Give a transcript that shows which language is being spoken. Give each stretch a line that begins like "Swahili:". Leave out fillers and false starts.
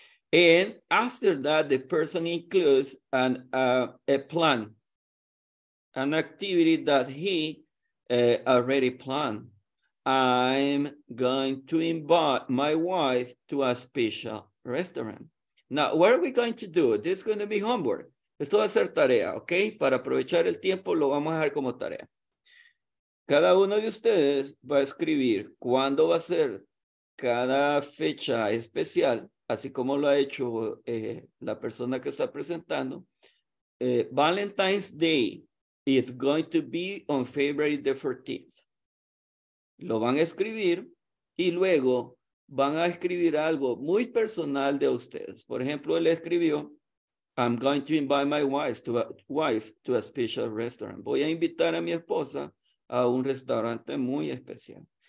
English: And after that, the person includes a plan, an activity that he already planned. I'm going to invite my wife to a special restaurant. Now, what are we going to do? This is going to be homework.
Spanish: Esto va a ser tarea, ¿ok? Para aprovechar el tiempo, lo vamos a dejar como tarea. Cada uno de ustedes va a escribir cuándo va a ser cada fecha especial, así como lo ha hecho la persona que está presentando.
English: Valentine's Day is going to be on February the 14th.
Spanish: Lo van a escribir y luego van a escribir algo muy personal de ustedes. Por ejemplo, él escribió,
English: I'm going to invite my wife to a special restaurant.
Spanish: Voy a invitar a mi esposa a un restaurante muy especial.